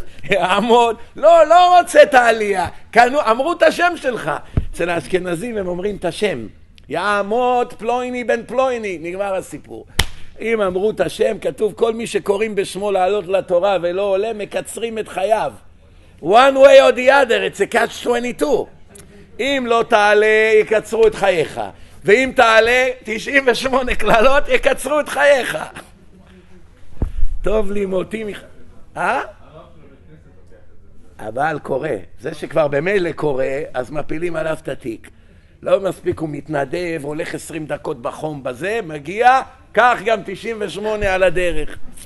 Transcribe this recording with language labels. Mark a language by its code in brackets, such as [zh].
[he] עמוד, לא, לא רוצה את העלייה. קנו, אמרו את השם שלך. אצל האשכנזים הם אומרים את השם. יעמוד פלויני בן פלויני, נגמר הסיפור. אם אמרו את השם, כתוב כל מי שקוראים בשמו לעלות לתורה ולא עולה, מקצרים את חייו. [en] One way or the other, it's a catch 22. [he] אם לא תעלה, יקצרו את חייך. ואם תעלה, 98 כללות, יקצרו את חייך. טוב לי מותי מח... הבעל קורא. זה שכבר במילא קורא, אז מפילים עליו את התיק. לא מספיק, הוא מתנדב, הולך 20 דקות בחום בזה, מגיע, כך גם 98 על הדרך.